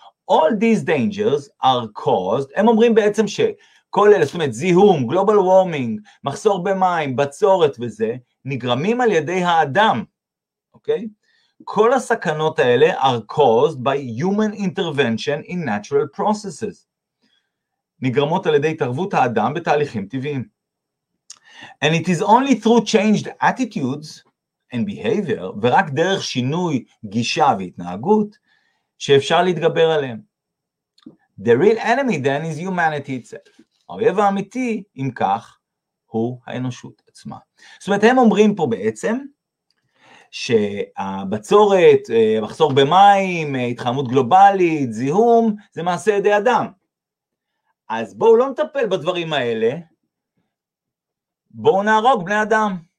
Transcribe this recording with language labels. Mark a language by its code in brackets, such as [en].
[en] All these dangers are caused, [he] הם אומרים בעצם שכל אלה, זאת אומרת, זיהום, [en] global warming, [he] מחסור במים, בצורת וזה, נגרמים על ידי האדם, אוקיי? כל הסכנות האלה [en] are caused by human intervention in natural processes. [he] נגרמות על ידי התערבות האדם בתהליכים טבעיים. [en] And it is only through changed attitudes and behavior, [he] ורק דרך שינוי גישה והתנהגות, שאפשר להתגבר עליהם. [en] The real enemy then is humanity itself. [he] האויב האמיתי, אם כך, הוא האנושות עצמה. זאת אומרת, הם אומרים פה בעצם, שהבצורת, מחסור במים, התחממות גלובלית, זיהום, זה מעשה ידי אדם. אז בואו לא נטפל בדברים האלה, בואו נהרוג בני אדם.